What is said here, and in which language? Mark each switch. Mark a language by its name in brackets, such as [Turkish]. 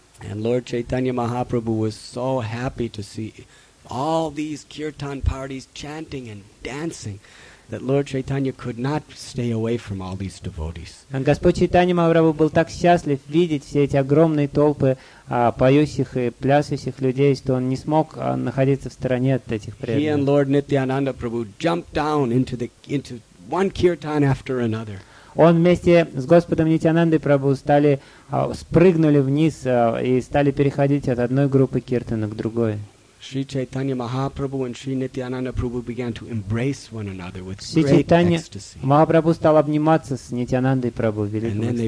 [English] And Lord Chaitanya Mahaprabhu was so happy to see all these kirtan parties chanting and dancing that Lord Chaitanya could not stay away from all these devotees. [Russian] And Господь Чайтанья Махапрабху был так счастлив видеть все эти огромные толпы поющих и плясущих людей, что он не смог находиться в стороне от этих преданных. [English] He and Lord Nityananda Prabhu jumped down into one kirtan after another. [Russian] Он вместе с Господом Нитянандой Прабху стали спрыгнули вниз и стали переходить от одной группы киртана к другой. [English] Sri Chaitanya Mahaprabhu and Sri Nityananda Prabhu began to embrace one another with great ecstasy. [Russian] Махапрабху стал обниматься с Нитянандой Прабху в великом экстазе.